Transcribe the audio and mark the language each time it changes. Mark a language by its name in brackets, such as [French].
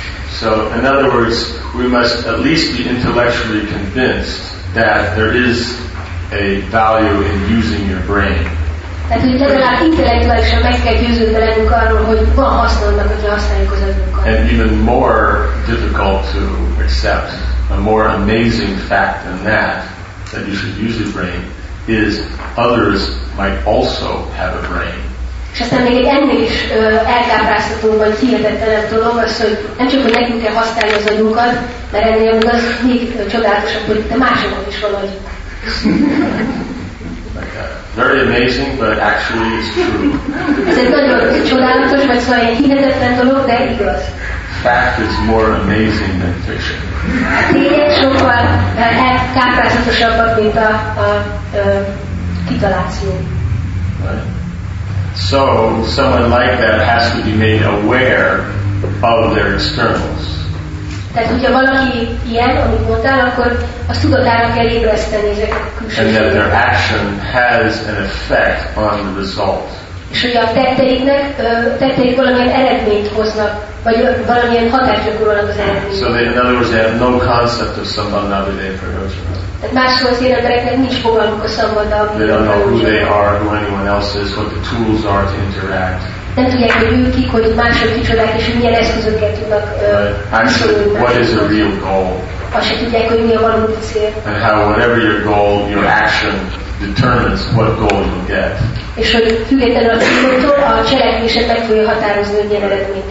[English] So, in other words, we must at least be intellectually convinced that there is a value in using your brain. [Hungarian] Tehát, hogy legalább intellektuálisan meg kell győződve lennünk arról, hogy van hasznodnak, hogy használjuk az agyunkat. [English] And even more difficult to accept, a more amazing fact than that, that you should use your brain, is others might also have a brain. [Hungarian] És aztán még egy ennél is elkápráztatott megosztunk, vagy hihetetlenebb dolog az, hogy nem csak, hogy nekünk kell használni az agyunkat, mert ennél úgy az még csodálatosabb, hogy te másokon is valahogy. [English] Very amazing, but actually it's true. [Hungarian] Ez egy nagyon csodálatos, vagy szóval egy hihetetlen dolog, de igaz. [English] Fact is more amazing than fiction. [Hungarian] Tények sokkal kárpázatosabbak, mint a kitaláció. [English] So someone like that has to be made aware of their externals. [Hungarian] Tehát hogyha valaki ilyen, amit mondtál, akkor azt tudatára kell ébreszteni ezek a külső. [English] And that their action has an effect on the result. [Hungarian] És hogy a tetteiknek, tetteik valamilyen eredményt hoznak, vagy valamilyen hatást gyakorolnak az eredményt. [English] So they, in other words, they have no concept of Sambandha-vidhi-prayojana. [Hungarian] Másról az embereknek nincs fogalmuk a szabaddal. [English] They don't know who they are, who anyone else is, what the tools are to interact. [Hungarian] Nem tudják, hogy ők kik, hogy mások kicsodák, és hogy milyen eszközöket tudnak [English] Actually, what is a real goal? [Hungarian] Azt se tudják, hogy mi a valódi cél. [English] And how, whatever your goal, your action determines what goal you get. [Hungarian] És hogy függetlenül a célodtól, a cselekvésed meg fogja határozni, hogy milyen eredményt